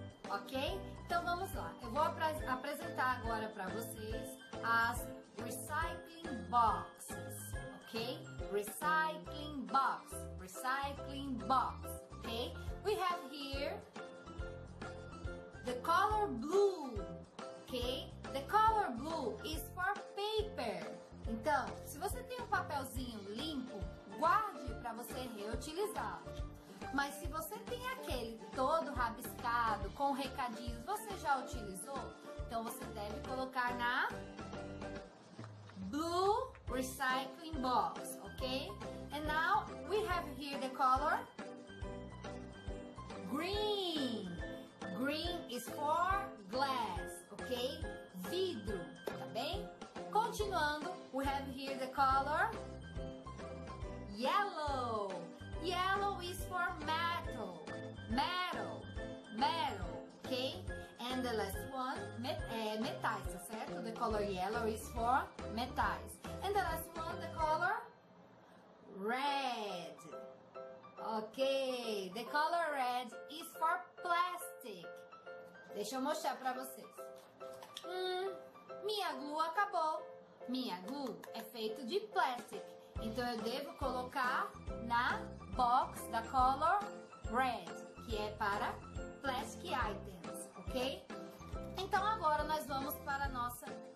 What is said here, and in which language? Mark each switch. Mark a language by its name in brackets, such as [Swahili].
[Portuguese] Ok? Então vamos lá. Eu vou apresentar agora para vocês as [English] recycling boxes, [Portuguese] ok? [English] Recycling box, recycling box, ok? We have here the color blue, okay? The color blue is for paper. [Portuguese] Então, se você tem um papelzinho limpo, guarde para você reutilizar. Mas se você tem aquele todo rabiscado, com recadinhos, você já utilizou? Então, você deve colocar na [English] blue recycling box, [Portuguese] okay? [English] And now, we have here the color green. Green is for glass, ok? [Portuguese] Vidro, tá bem? Continuando, [English] we have here the color yellow. Yellow is for metal. Metal, metal, ok? And the last one, [Portuguese] metais, tá certo? [English] The color yellow is for [Portuguese] metais. [English] And the last one, the color red. Ok, the color red is for plastic. [Portuguese] Deixa eu mostrar para vocês. Minha glue acabou. Minha glue é feita de plastic. Então, eu devo colocar na box da [English] color red, [Portuguese] que é para plastic items, ok? Então, agora nós vamos para a nossa